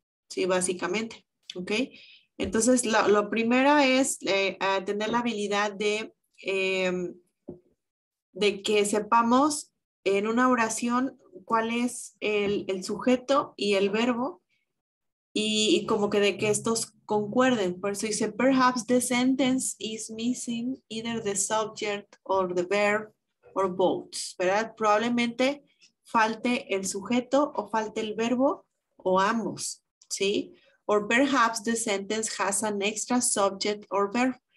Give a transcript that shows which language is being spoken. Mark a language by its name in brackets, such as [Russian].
[Spanish] Sí, básicamente, ¿ok? Entonces, lo primero es tener la habilidad de que sepamos en una oración cuál es el sujeto y el verbo y como que de que estos concuerden. Por eso dice, [English] perhaps the sentence is missing either the subject or the verb or both, [Spanish] ¿verdad? Probablemente falte el sujeto o falte el verbo o ambos. ¿Sí? [English] Or perhaps the sentence has an extra subject or verb.